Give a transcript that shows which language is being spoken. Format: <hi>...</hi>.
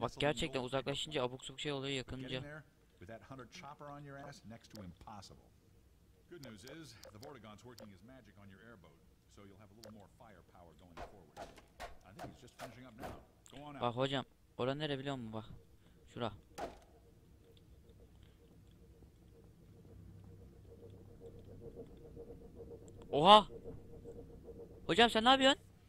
<tr>Bak gerçekten uzaklaşınca abuk sabuk şey oluyor yakınca.</tr> <en>With that hunter chopper on your ass, next to impossible. Good news is, the Vortigaunt's working his magic on your airboat, so you'll have a little more firepower going forward. I think he's just finishing up now. Go on out.</en> <tr>Bak hocam, oran nere biliyor musun? Bak, şura. Oha! Hocam sen ne yapıyorsun?</tr>